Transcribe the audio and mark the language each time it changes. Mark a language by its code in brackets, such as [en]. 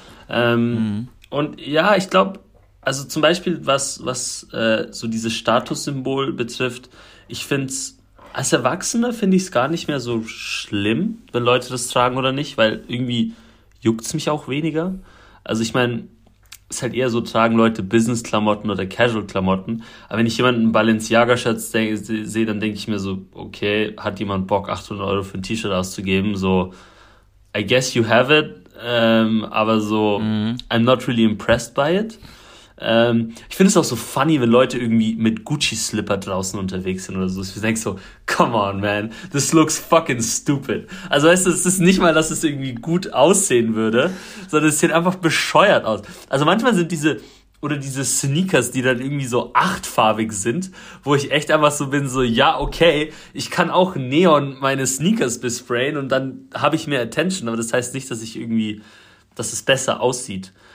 [de] Und ja, ich glaube, also zum Beispiel, was so dieses Statussymbol betrifft, ich finde es, als Erwachsener finde ich es gar nicht mehr so schlimm, wenn Leute das tragen oder nicht, weil irgendwie juckt es mich auch weniger. Also ich meine, es ist halt eher so, tragen Leute Business-Klamotten oder Casual-Klamotten. Aber wenn ich jemanden Balenciaga-Shirt sehe, dann denke ich mir so, okay, hat jemand Bock, 800 Euro für ein T-Shirt auszugeben? [en] So, I guess you have it, [de] aber so, [en] I'm not really impressed by it. [de] Ich finde es auch so funny, wenn Leute irgendwie mit Gucci-Slipper draußen unterwegs sind oder so. Ich denke so, [en] come on, man, this looks fucking stupid. [de] Also weißt du, es ist nicht mal, dass es irgendwie gut aussehen würde, sondern es sieht einfach bescheuert aus. Also manchmal sind diese Sneakers, die dann irgendwie so achtfarbig sind, wo ich echt einfach so bin, so, ja, okay, ich kann auch Neon meine Sneakers besprayen und dann habe ich mehr Attention, aber das heißt nicht, dass ich irgendwie, dass es besser aussieht.